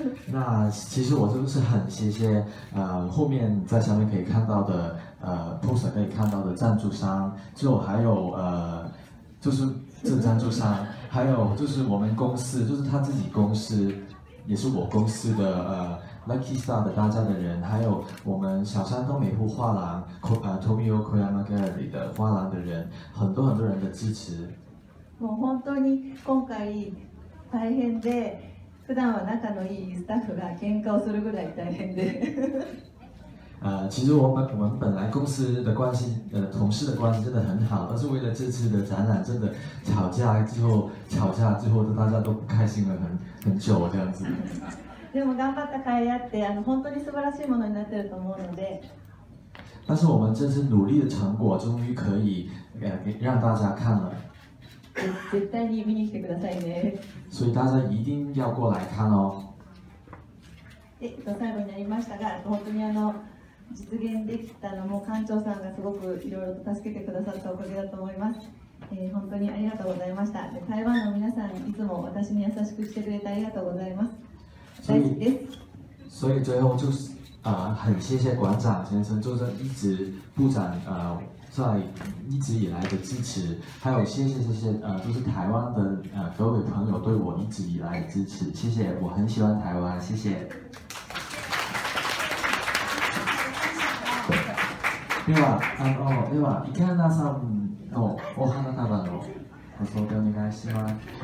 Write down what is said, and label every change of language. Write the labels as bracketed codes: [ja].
[zh] 那其实我真的是很谢谢，后面在下面可以看到的，poster 可以看到的赞助商，就还有就是正赞助商，还有就是我们公司，就是他自己公司，也是我公司的Lucky Star 的大家的人，还有我们小山东美术画廊Tomio Koyama Gallery 的画廊的人，很多很多人的支持。 [ja] もう本当に今回大変で、普段は仲のいいスタッフが喧嘩をするぐらい大変で。 [zh] 其实我们本来公司的关系，同事的关系真的很好，但是为了这次的展览，真的吵架之后，大家都不开心了很久这样子。 [ja] でも頑張った甲斐あって、本当に素晴らしいものになってると思うので。 [zh] 但是我们这次努力的成果，终于可以让大家看了。 [ja] 絶対に見に来てくださいね。 [zh] 所以大家一定要过来看哦。 [ja] 最後になりましたが、本当に実現できたのも館長さんがすごくいろいろと助けてくださったおかげだと思います。本当にありがとうございました。台湾の皆さんいつも私に優しくしてくれてありがとうございます。大好きです。 [zh] 所以最后就是很谢谢馆长先生，就是一直部长在一直以来的支持，还有谢谢就是台湾的各位朋友对我一直以来的支持，谢谢，我很喜欢台湾，谢谢。 [ja] では、では、池花さんのお花束のご紹介お願いします。